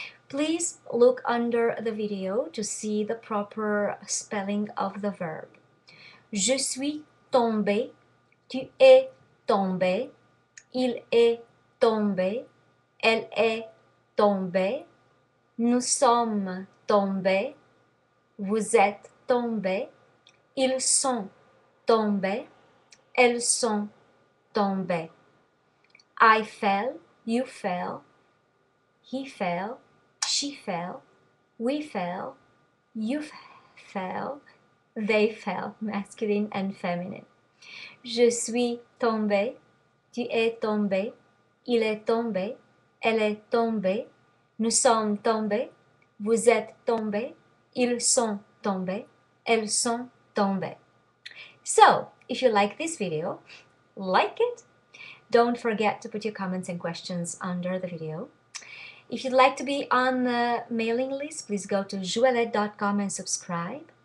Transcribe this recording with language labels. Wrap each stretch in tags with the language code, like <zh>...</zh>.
<en>Please look under the video to see the proper spelling of the verb.</en> <fr>Je suis tombé, tu es tombé, il est tombé, elle est tombée, nous sommes tombés. Vous êtes tombés, ils sont tombés, elles sont tombées.</fr> <en>I fell, you fell, he fell, she fell, we fell, you fell, they fell, masculine and feminine.</en> <fr>Je suis tombé, tu es tombé, il est tombé, elle est tombée, nous sommes tombés, vous êtes tombés. Ils sont tombés. Elles sont tombées.</fr> <en>So, if you like this video, like it. Don't forget to put your comments and questions under the video. If you'd like to be on the mailing list, please go to joëlette.com and subscribe.</en>